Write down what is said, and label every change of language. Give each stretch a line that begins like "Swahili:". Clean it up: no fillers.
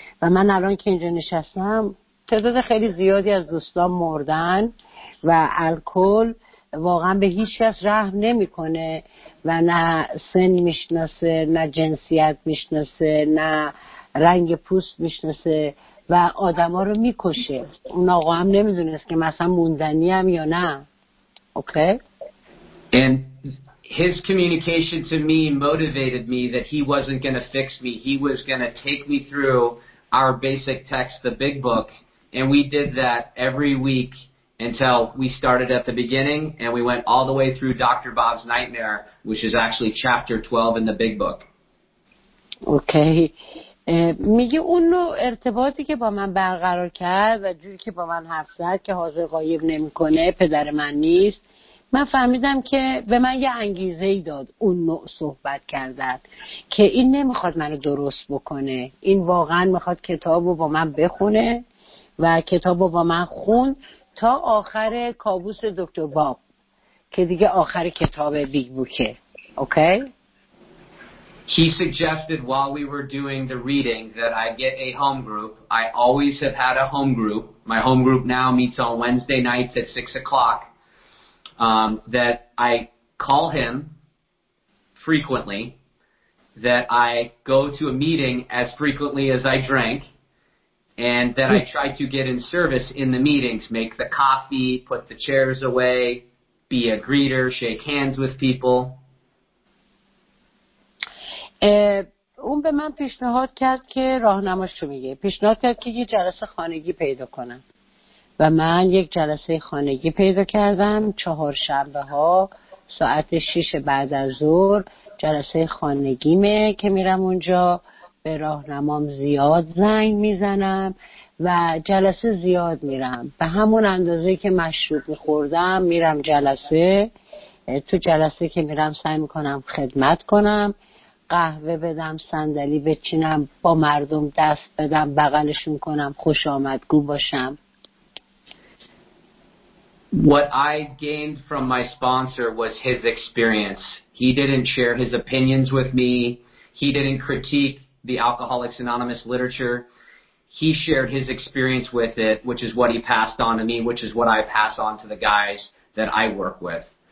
Persian: و من الان که اینجا نشستم, تعداد خیلی زیادی از دوستان مردن و الکل واقعا به هیچ کس رحم نمی کنه و نه سن میشناسه, نه جنسیت میشناسه, نه رنگ پوست میشناسه و آدم ها رو میکشه. اون آقا هم نمیدونست که مثلا موندنی هم یا نه.
English: Okay? And his communication to me motivated me that he wasn't going to fix me. He was going to take me through our basic text, the big book. And we did that every week until we started at the beginning and we went all the way through Dr. Bob's nightmare, which is actually chapter 12 in the big book. Okay.
Persian: میگه اون نوع ارتباطی که با من برقرار کرد و جوری که با من حرف زد که حاضر غایب نمی کنه, پدر من نیست, من فهمیدم که به من یه انگیزه ای داد اون نوع صحبت کردن که این نمیخواد منو درست بکنه, این واقعا میخواد کتابو با من بخونه و کتابو با من خون تا آخر کابوس دکتر باب که دیگه آخر کتاب بیگ بوکه.
English: Okay? He suggested while we were doing the reading that I get a home group. I always have had a home group. My home group now meets on Wednesday nights at 6 o'clock. That I call him frequently, that I go to a meeting as frequently as I drank, and that I try to get in service in the meetings, make the coffee, put the chairs away, be a greeter, shake hands with people.
Persian: اون به من پیشنهاد کرد که راهنماش رو میگه. پیشنهاد کرد که یه جلسه خانگی پیدا کنم. و من یک جلسه خانگی پیدا کردم, چهار شنبه ها ساعت 6 بعد از ظهر جلسه خانگیمه که میرم اونجا. به راهنمام زیاد زنگ میزنم و جلسه زیاد میرم. به همون اندازه که مشروب میخوردم میرم جلسه. تو جلسه که میرم سعی میکنم خدمت کنم, قهوه بدم, صندلی بچینم, با مردم دست بدم, بغلشون کنم, خوش آمدگو باشم.
English: What I gained from my sponsor was his experience. He didn't share his opinions with me. He didn't critique the Alcoholics Anonymous literature. He shared his experience with it, which is what he passed on to me, which is what I pass on to the guys that I work with.